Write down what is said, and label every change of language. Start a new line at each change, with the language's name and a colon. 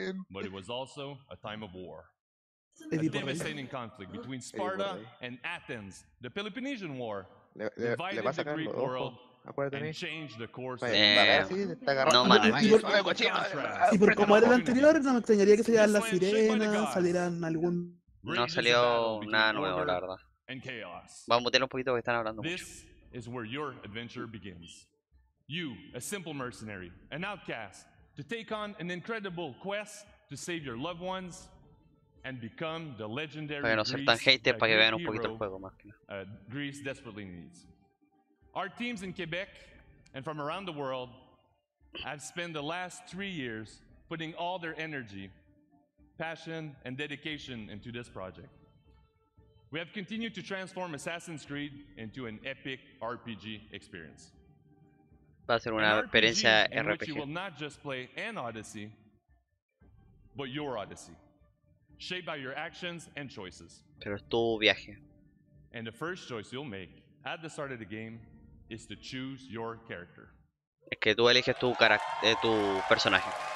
English: But it was also a time of war. A devastating conflict between Sparta and Athens, the Peloponnesian War, divided the Greek world and changed the course of history. No man,
Spanish: y por como era el anterior, no me extrañaría que salieran las sirenas, salieran algún. No salió nada nuevo, la verdad. Vamos a mutear un poquito que están hablando mucho.
English: This is where your adventure begins. You, a simple mercenary, an outcast, to take on an incredible quest to save your loved ones. and become the legendary
Spanish: para no ser tan hater para que vean un poquito el juego más que nada.
English: Greece desperately needs. Our teams in Quebec and from around the world have spent the last 3 years putting all their energy, passion, and dedication into this project. We have continued to transform Assassin's Creed into an epic RPG experience.
Spanish: Va a ser una experiencia RPG.
English: Which you will not just play an Odyssey, but your Odyssey, shaped by your actions and choices.
Spanish: Pero es tu viaje.
English: And the first choice you'll make at the start of the game is to choose your character.
Spanish: Es que tú eliges tu carácter, tu personaje.